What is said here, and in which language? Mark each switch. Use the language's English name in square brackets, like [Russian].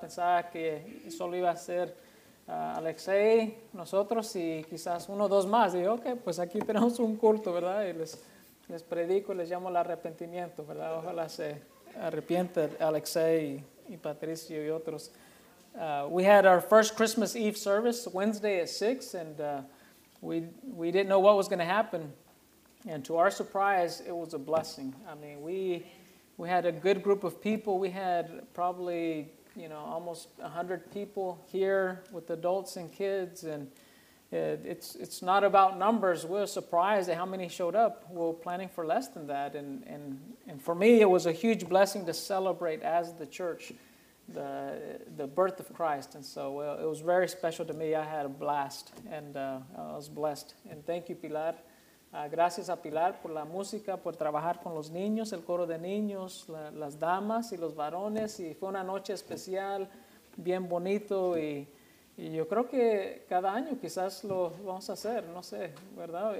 [Spanish] Pensaba que solo iba a ser Alexei, nosotros, y quizás uno o dos más. Digo, ok, pues aquí tenemos un culto, ¿verdad? Y les predico y les llamo al arrepentimiento, ¿verdad? Ojalá se arrepiente Alexei y Patricio y otros. [English] We had our first Christmas Eve service Wednesday at 6, and we didn't know what was going to happen. And to our surprise, it was a blessing. I mean, we had a good group of people. We had probably, you know, almost 100 people here with adults and kids. And it's not about numbers. We were surprised at how many showed up. We were planning for less than that. And for me, it was a huge blessing to celebrate as the church the birth of Christ. And so it was very special to me. I had a blast, and I was blessed. And thank you, Pilar. [Spanish] Gracias a Pilar por la música, por trabajar con los niños, el coro de niños, las damas y los varones. Y fue una noche especial, bien bonito. Y yo creo que cada año quizás lo vamos a hacer, no sé, ¿verdad?